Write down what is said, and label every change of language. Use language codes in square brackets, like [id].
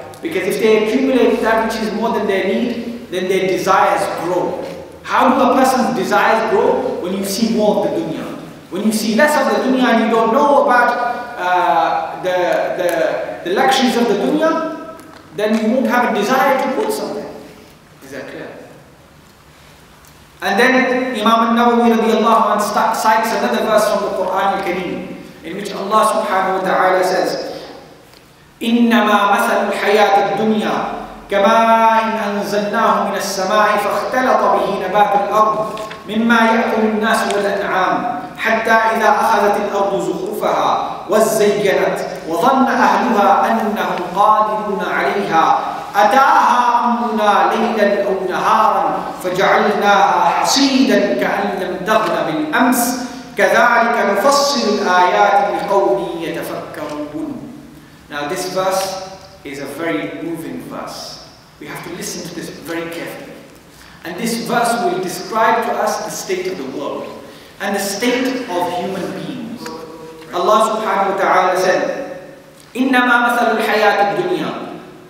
[en] Because if they accumulate that which is more than they need, then their desires grow. How do a person's desires grow? When you see more of the dunya. When you see less of the dunya and you don't know about the luxuries of the dunya, then you won't have a desire to put something. Is that clear? And then Imam al-Nawawi radiallahu anhu cites another verse from the Quran al-Kareem, in which Allah subhanahu wa ta'ala says, [ar] إِنَّمَا مَثَلُ الْحَيَاةِ الدُّنْيَا كَمَاءٍ أَنْزَلْنَاهُ مِنَ السَّمَاءِ فَاخْتَلَطَ بِهِ نَبَاتُ الْأَرْضِ مِمَّا يَأْكُلُ النَّاسُ وَالْأَنْعَامُ حَتَّى إِذَا أَخَذَتِ الْأَرْضُ زُخْرُفَهَا وَزَيَّنَتْ وَظَنَّ أَهْلُهَا أَنَّهُمْ قَادِرُونَ عَلَيْهَا أَتَاهَا أَمْرُنَا لَيْلًا أَوْ نَهَارًا فَجَعَلْنَاهَا حَصِيدًا كَأَنْ لَمْ تَغْنَ بِالْأَمْسِ كَذَلِكَ نُفَصِّلُ الْآيَاتِ لِقَوْمٍ يَتَفَكَّرُونَ. [en] Now this verse is a very moving verse. We have to listen to this very carefully. And this verse will describe to us the state of the world and the state of human beings. Allah subhanahu wa ta'ala said, [ar] إِنَّمَا مَثَلُ الْحَيَاةِ الدُّنْيَا.